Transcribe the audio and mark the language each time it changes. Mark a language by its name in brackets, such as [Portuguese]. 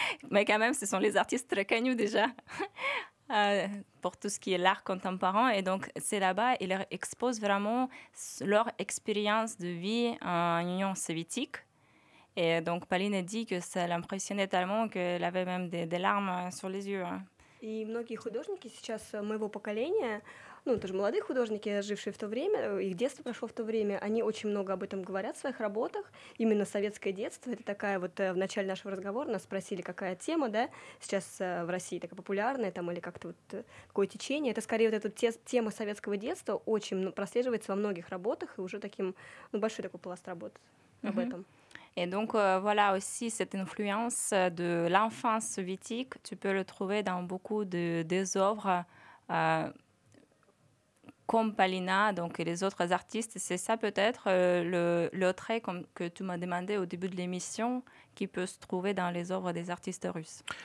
[French] Mais quand même, ce sont les artistes très connus déjà. pour tout ce qui est l'art contemporain. Et donc, c'est là-bas, ils exposent vraiment leur expérience de vie en Union soviétique. Et donc, Pauline dit que ça l'impressionnait tellement qu'elle avait même des larmes sur les yeux. [Russian] Et многие художники сейчас моего поколения, ну, тоже молодые художники, жившие в то время, их детство прошло в то время, они очень много об этом говорят в своих работах. Именно советское детство, это такая вот в начале нашего разговора нас спросили, какая тема, да, сейчас в России такая популярная, там, или как-то вот такое течение. Это скорее вот эта тема советского детства очень прослеживается во многих работах и уже таким, ну, большой такой пласт работ об этом. [French] Et donc voilà aussi cette influence de l'enfance soviétique, tu peux le trouver dans beaucoup des œuvres comme Pauline donc et les autres artistes. C'est ça peut-être le trait que tu m'as demandé au début de l'émission qui peut se trouver dans les œuvres des artistes russes.